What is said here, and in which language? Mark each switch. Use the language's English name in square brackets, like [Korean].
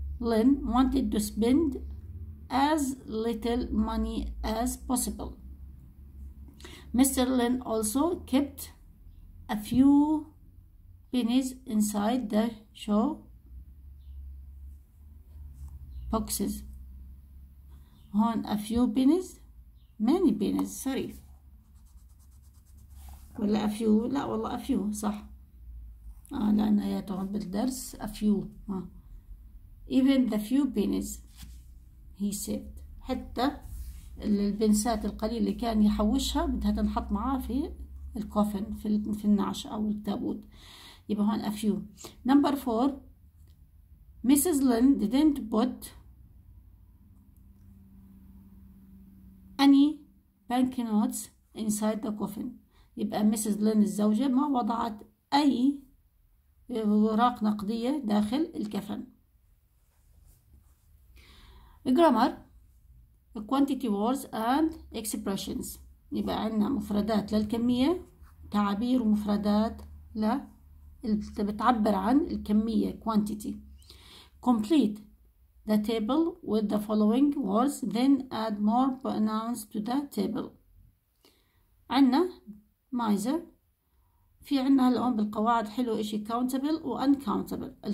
[English] Lin wanted to spend as little money as possible. Mr. Lin also kept a few pennies inside the show boxes. [Arabic] هون [English] a few pennies, many pennies, sorry. [Arabic] ولا [English] a few, [Arabic] لا والله a few صح. لأن هي طبعا بالدرس a few. [English] Even the few pennies he saved. [Arabic] حتى البنسات القليلة اللي كان يحوشها بدها تنحط معاه في الكوفن في النعش أو التابوت. يبقى هون [English] a few. Number 4. Mrs. Lin didn't put any bank notes inside the coffin. [Arabic] يبقى Mrs. Lin الزوجة ما وضعت أي أوراق نقدية داخل الكفن. [English] Grammar, quantity words and expressions. [Arabic] يبقى عنا مفردات للكمية, تعابير ومفردات ل بتعبر عن الكمية quantity. [English] Complete the table with the following words, then add more pronouns to the table. [Arabic] عنا miser, في عنا هلا هون بالقواعد حلو إشي countable و uncountable.